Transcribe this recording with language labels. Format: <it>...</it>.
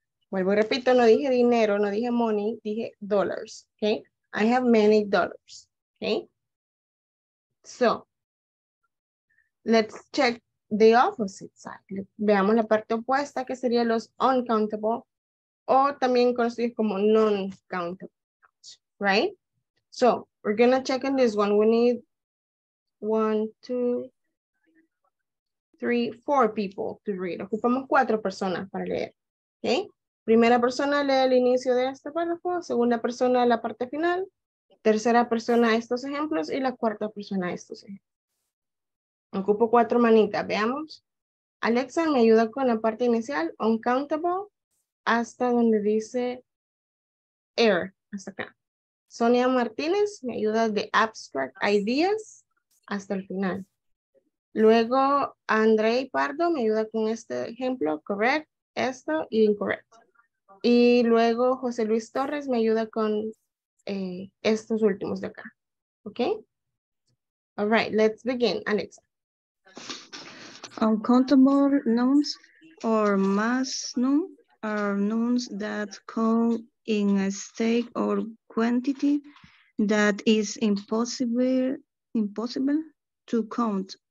<es>Vuelvo y repito, no dije dinero, no dije money, dije dollars, okay?</es> <en>I have many dollars.</en> <es>Okay.</es> <en>So, let's check the opposite side.</en> <es>Veamos la parte opuesta, que sería los uncountable, o también conocidos como non-countable,</es> <en>right? So, we're gonna check in this one. We need 1, 2, 3, 4 people to read.</en> <es>Ocupamos 4 personas para leer, okay? Primera persona lee el inicio de este párrafo, segunda persona la parte final, tercera persona estos ejemplos y la cuarta persona estos ejemplos. Ocupo 4 manitas, veamos. Alexa me ayuda con la parte inicial,</es> <en>uncountable,</en> <es>hasta donde dice air, hasta acá. Sonia Martínez me ayuda de abstract ideas hasta el final. Luego André Pardo me ayuda con este ejemplo, correct, esto y incorrect. Y luego José Luis Torres me ayuda con estos últimos de acá.</es> <en>Okay? All right, let's begin, Alexa. Uncountable nouns or mass noun are nouns that come in a state or quantity that is impossible to count.</en>